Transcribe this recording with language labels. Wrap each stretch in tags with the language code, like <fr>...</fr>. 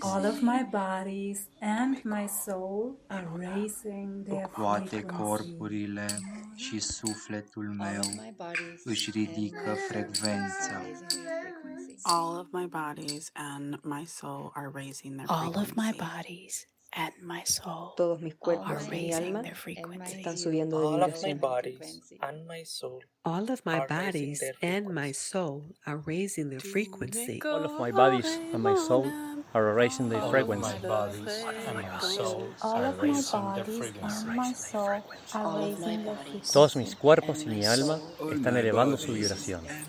<en>All of my bodies and my soul are raising their frequency. All of my bodies and my soul are raising their frequency. All of my bodies and my soul are raising their frequency. All of my bodies and my soul are raising their frequency. All of my bodies and my soul.</en> <es>Todos mis cuerpos y mi alma están subiendo de vibración.</es> <en>All of my bodies and my soul. All of my bodies and my soul are raising their frequency. All of my bodies and my soul are raising their frequency. All of my bodies and my soul are raising their frequency.</en> <es>Todos mis cuerpos y mi alma están elevando su vibración.</es>